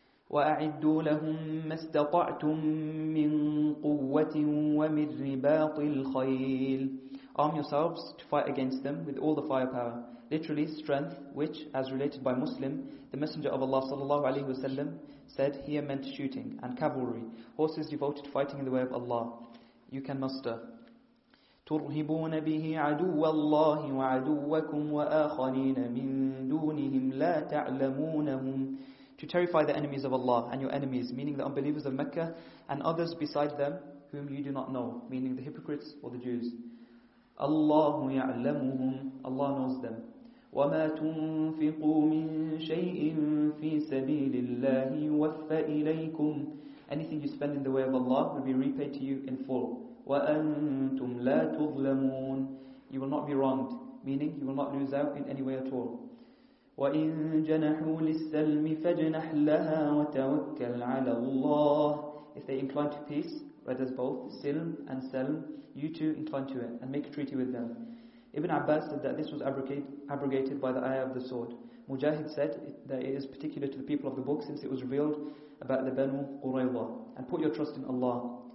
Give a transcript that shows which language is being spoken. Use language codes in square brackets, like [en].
[ar] وَأَعِدُّوا لَهُمْ مَا اسْتَطَعْتُمْ مِنْ قُوَّةٍ وَمِنْ رِبَاطِ الْخَيْلِ. [en] Arm yourselves to fight against them with all the firepower, literally strength, which, as related by Muslim, the Messenger of Allah [ar] sallallahu alaihi wasallam [en] said here meant shooting, and cavalry, horses devoted to fighting in the way of Allah. You can muster. [ar] ترهبون به عدو الله وعدوكم وآخرين من دونهم لا تعلمونهم. [en] To terrify the enemies of Allah and your enemies, meaning the unbelievers of Mecca, and others beside them whom you do not know, meaning the hypocrites or the Jews. [ar] الله يعلمهم. [en] Allah knows them. [ar] وما تنفقوا من شيء في سبيل الله يوفى إليكم. [en] Anything you spend in the way of Allah will be repaid to you in full. [ar] وأنتم لا تظلمون. [en] You will not be wronged, meaning you will not lose out in any way at all. وإن جنحوا للسلم فجنح لها وتوكل على الله. If they incline to peace, read as both Silm and Salm, you too incline to it and make a treaty with them. Ibn Abbas said that this was abrogated by the ayah of the sword. Mujahid said that it is particular to the people of the book, since it was revealed about the Banu Qurayza. And put your trust in Allah.